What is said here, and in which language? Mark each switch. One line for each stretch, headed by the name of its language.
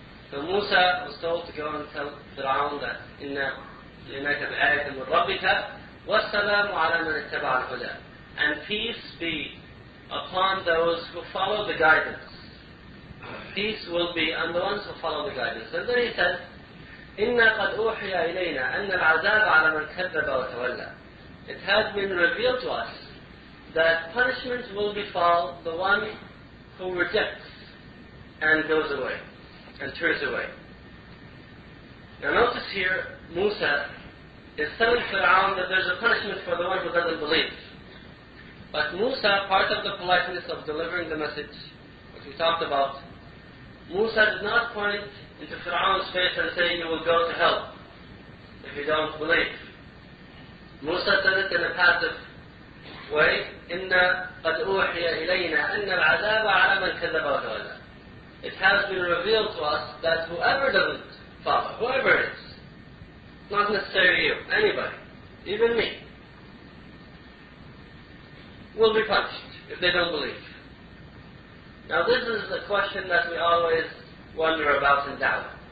English: So Musa was told to go and tell Fir'aun that
Arabic: إِنَّا لِنَكَ بِآيَةٍ مِنْ رَبِّكَ وَالسَّلَامُ عَلَى مَنِ اتَّبَعَ الْهُدَى.
English: And peace be upon those who follow the guidance. Peace will be on the ones who follow the guidance. And then he said,
Arabic: إِنَّا قَدْ أُوحِيَ إِلَيْنَا أَنَّ الْعَذَابَ عَلَى مَنْ كَذَّبَ وَتَوَلَّى.
English: It has been revealed to us that punishment will befall the one who rejects and goes away and turns away. Now notice here, Musa is telling Fir'aun that there's a punishment for the one who doesn't believe. But Musa, part of the politeness of delivering the message, which we talked about, Musa did not point into Fir'aun's face and say, you will go to hell if you don't believe. Musa said it in a passive way,
Arabic: إِنَّا قَدْ أُوحِيَ إِلَيْنَا أَنَّ الْعَذَابَ عَلَى مَنْ كَذَّبَ وَتَوَلَى.
English: It has been revealed to us that whoever doesn't follow, whoever it is, not necessarily you, anybody, even me, will be punished if they don't believe. Now this is the question that we always wonder about in doubt.